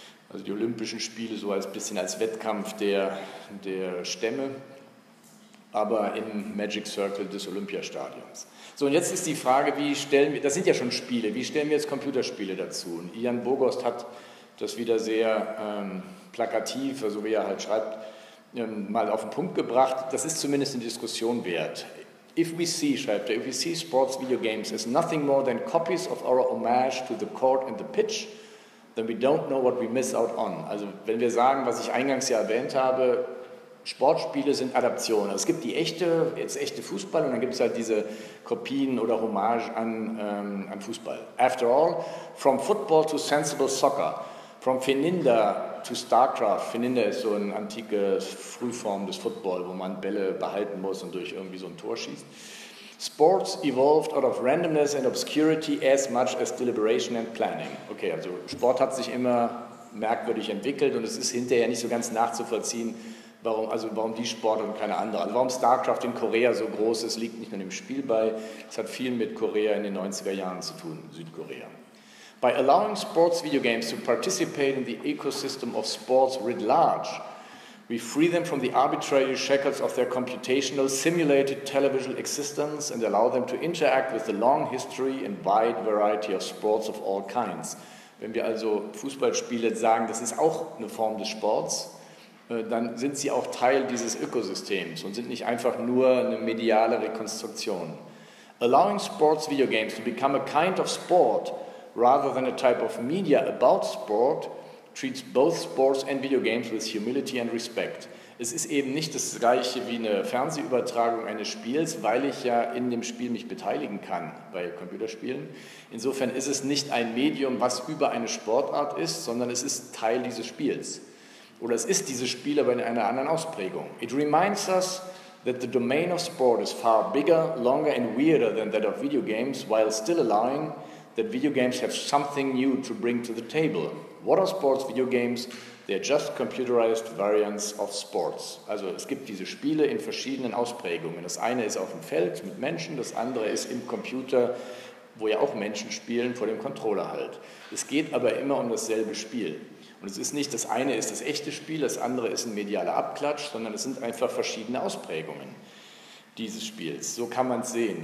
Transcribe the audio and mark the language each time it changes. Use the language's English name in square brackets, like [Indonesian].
[German] Also die Olympischen Spiele so als bisschen als Wettkampf der Stämme, aber im Magic Circle des Olympiastadions. So, und jetzt ist die Frage, wie stellen wir, das sind ja schon Spiele, wie stellen wir jetzt Computerspiele dazu? Und Ian Bogost hat das wieder sehr plakativ, also wie er halt schreibt, mal auf den Punkt gebracht. Das ist zumindest eine Diskussion wert. [English] If we see, [German] schreibt er, [English] if we see sports video games as nothing more than copies of our homage to the court and the pitch, then we don't know what we miss out on. [German] Also wenn wir sagen, was ich eingangs ja erwähnt habe, Sportspiele sind Adaptionen. Also es gibt die echte, jetzt echte Fußball und dann gibt es halt diese Kopien oder Hommage an Fußball. [English] After all, from football to sensible soccer, from Feninda to Starcraft. [German] Feninda ist so eine antike Frühform des Football, wo man Bälle behalten muss und durch irgendwie so ein Tor schießt. [English] Sports evolved out of randomness and obscurity as much as deliberation and planning. [German] Okay, also Sport hat sich immer merkwürdig entwickelt und es ist hinterher nicht so ganz nachzuvollziehen, warum die Sport und keine andere. Also warum StarCraft in Korea so groß ist, liegt nicht nur dem Spiel bei. Es hat viel mit Korea in den 90er Jahren zu tun, Südkorea. [English] By allowing sports video games to participate in the ecosystem of sports writ large, we free them from the arbitrary shackles of their computational simulated television existence and allow them to interact with the long history and wide variety of sports of all kinds. [German] Wenn wir also Fußballspiele sagen, das ist auch eine Form des Sports, dann sind sie auch Teil dieses Ökosystems und sind nicht einfach nur eine mediale Rekonstruktion. [English] Allowing sports video games to become a kind of sport rather than a type of media about sport treats both sports and video games with humility and respect. [German] Es ist eben nicht das Gleiche wie eine Fernsehübertragung eines Spiels, weil ich ja in dem Spiel mich beteiligen kann bei Computerspielen. Insofern ist es nicht ein Medium, was über eine Sportart ist, sondern es ist Teil dieses Spiels. Oder es ist dieses Spiel, aber in einer anderen Ausprägung. [English] It reminds us that the domain of sport is far bigger, longer and weirder than that of video games, while still allowing that video games have something new to bring to the table. What are sports video games? They're just computerized variants of sports. [German] Also es gibt diese Spiele in verschiedenen Ausprägungen. Das eine ist auf dem Feld mit Menschen, das andere ist im Computer, wo ja auch Menschen spielen, vor dem Controller halt. Es geht aber immer um dasselbe Spiel. Und es ist nicht, das eine ist das echte Spiel, das andere ist ein medialer Abklatsch, sondern es sind einfach verschiedene Ausprägungen dieses Spiels. So kann man es sehen.